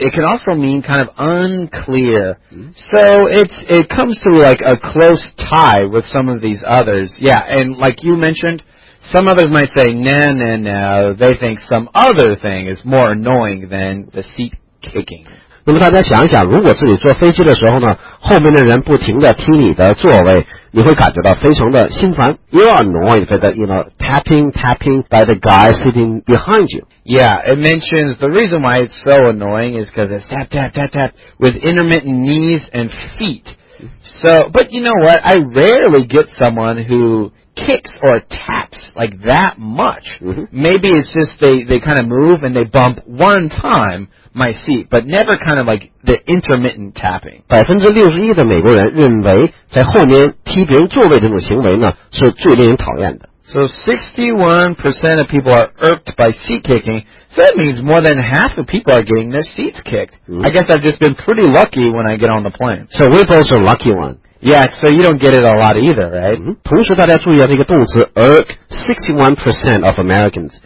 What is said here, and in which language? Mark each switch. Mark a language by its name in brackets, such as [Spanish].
[English] It can also mean kind of unclear. So it comes to like a close tie with some of these others. Yeah, and like you mentioned. Some others might say, nah, nah, nah, they think some other thing is more annoying than the seat kicking. [Chinese] 那么大家想一想，如果自己坐飞机的时候呢，后面的人不停地踢你的座位，你会感觉到非常的心烦。 [English] You're annoyed by the, you know, tapping by the guy sitting behind you. Yeah, it mentions the reason why it's so annoying is because it's tap, tap, tap, tap with intermittent knees and feet. So, but you know what, I rarely get someone who... kicks or taps like that much. Mm-hmm. Maybe it's just they kind of move and they bump one time my seat, but never kind of like the intermittent tapping. [Chinese] 61% 的美国人认为在后面踢别人座位这种行为呢是最令人讨厌的。 [English] So 61% of people are irked by seat kicking. So that means more than half of people are getting their seats kicked. Mm-hmm. I guess I've just been pretty lucky when I get on the plane. So we're both a lucky one. Yeah, so you don't get it a lot either, right? [Chinese] 同时大家注意到这个动词 [English] irk, 61% of Americans.